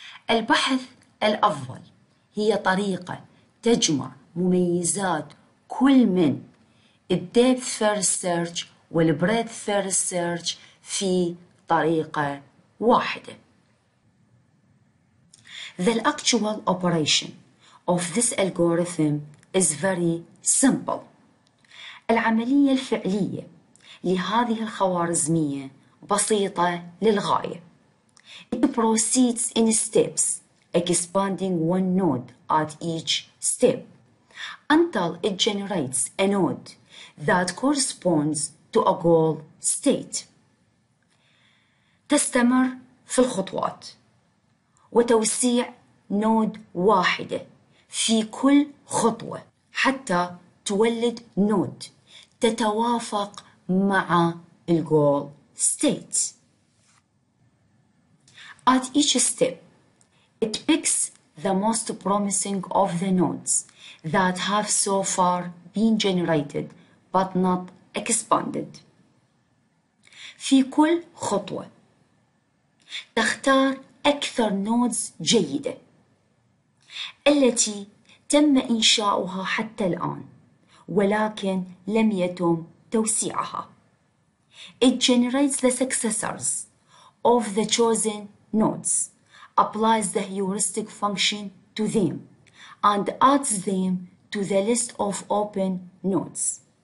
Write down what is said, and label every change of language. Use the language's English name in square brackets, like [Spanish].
[Arabic] البحث الأفضل هي طريقة تجمع مميزات كل من depth first search والbreadth first search في طريقة واحدة. [English] The actual operation of this algorithm is very simple. [Arabic] العملية الفعلية لهذه الخوارزمية بسيطة للغاية. [English] It proceeds in steps, expanding one node at each step, until it generates a node that corresponds to a goal state. [Arabic] تستمر في الخطوات وتوسيع نود واحدة في كل خطوة حتى تولد نود تتوافق مع الجول ستيت. [English] At each step, it picks the most promising of the nodes that have so far been generated but not expanded. [Arabic] في كل خطوة تختار أكثر نودز جيدة التي تم إنشاؤها حتى الآن ولكن لم يتم توسيعها. [English] It generates the successors of the chosen nodes, applies the heuristic function to them, and adds them to the list of open nodes.